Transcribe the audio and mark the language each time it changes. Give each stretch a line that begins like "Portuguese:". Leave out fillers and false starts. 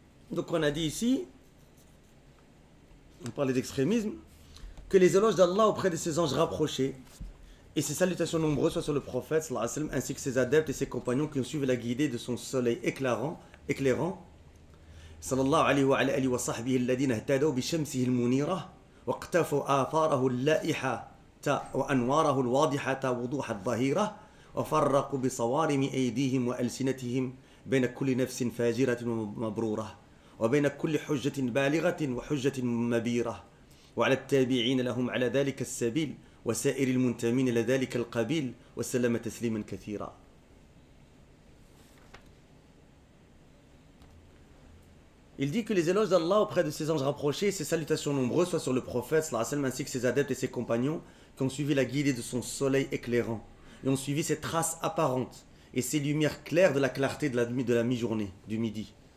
French: Donc on a dit ici, on parlait d'extrémisme, que les éloges d'Allah auprès de ses anges rapprochés et ses salutations nombreuses soient sur le prophète,
Arabic: sallallahu alayhi wa sallam, ainsi que ses adeptes et ses compagnons qui ont suivi la guidée de son soleil éclairant, sallallahu alayhi wa sahbihi alladhina ihtadaw bi shamsihi al-munira. واقتفوا آثاره اللائحة وأنواره الواضحة وضوح الظهيرة وفرقوا بصوارم أيديهم وألسنتهم بين كل نفس فاجرة ومبرورة وبين كل حجة بالغة وحجة مبيرة وعلى التابعين لهم على ذلك السبيل وسائر المنتمين لذلك القبيل وسلم تسليما كثيرا.
French: Il dit que les éloges d'Allah auprès de ses anges rapprochés et ses salutations nombreuses soient sur le prophète, sallallahu alayhi wa sallam, ainsi que ses adeptes et ses compagnons qui ont suivi la guidée de son soleil éclairant et ont suivi ses traces apparentes et ses lumières claires de la clarté de la mi-journée, du midi.